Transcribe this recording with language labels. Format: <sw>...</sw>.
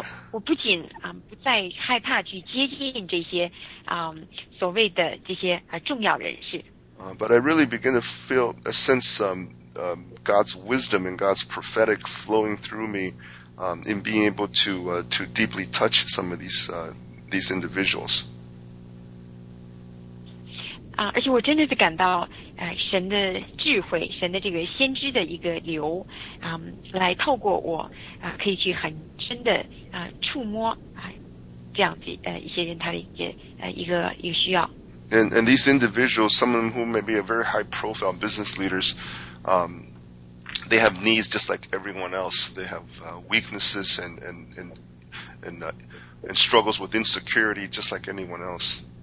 <zh>我不仅不再害怕去接近这些所谓的这些重要人士。</zh> <en>But I really begin to feel a sense God's wisdom and God's prophetic flowing through me in being able to deeply touch some of these individuals.</en> <zh>而且我真的是感到神的智慧，神的这个先知的一个流，来透过我，可以去很深的触摸这样子一些人他的一个需要。</zh> <en>And these individuals, some of whom may be a very high profile business leaders, they have needs just like everyone else. They have weaknesses and struggles with insecurity just like anyone else.</en>